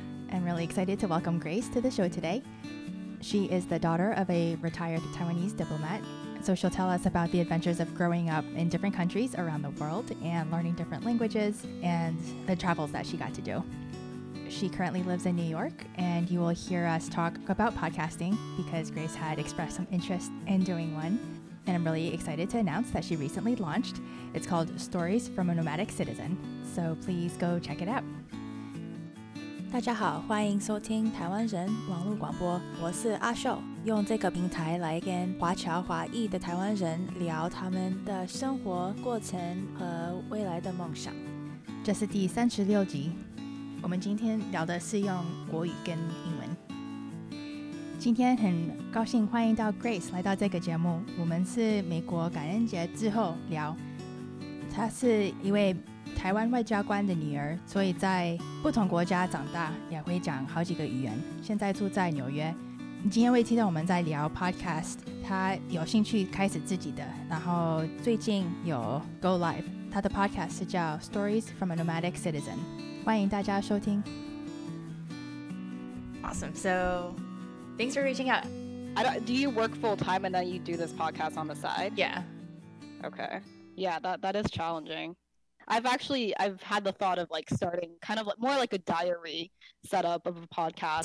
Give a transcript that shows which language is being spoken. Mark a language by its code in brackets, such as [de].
[en] I'm really excited to welcome Grace to the show today. She is the daughter of a retired Taiwanese diplomat, so she'll tell us about the adventures of growing up in different countries around the world and learning different languages and the travels that she got to do. She currently lives in New York, and you will hear us talk about podcasting because Grace had expressed some interest in doing one. And I'm really excited to announce that she recently launched. It's called Stories from a Nomadic Citizen. So please go check it out. [zh] 大家好，欢迎收听台湾人网络广播，我是阿秀，用这个平台来跟华侨华裔的台湾人聊他们的生活过程和未来的梦想。这是第36集，我们今天聊的是用国语跟英文。今天很高兴欢迎到 Grace 来到这个节目，我们是美国感恩节之后聊。她是一位台湾外交官的女儿，所以在不同国家长大，也会讲好几个语言，现在住在纽约。今天会听到我们在聊 podcast， 她有兴趣开始自己的，然后最近有 [en] go live， [zh] 她的 podcast 是叫 Stories from a Nomadic Citizen， 欢迎大家收听。 [en] Awesome, so thanks for reaching out. Do you work full time and then you do this podcast on the side? Yeah. Okay, yeah, that is challenging. I've had the thought of like starting kind of more like a diary setup of a podcast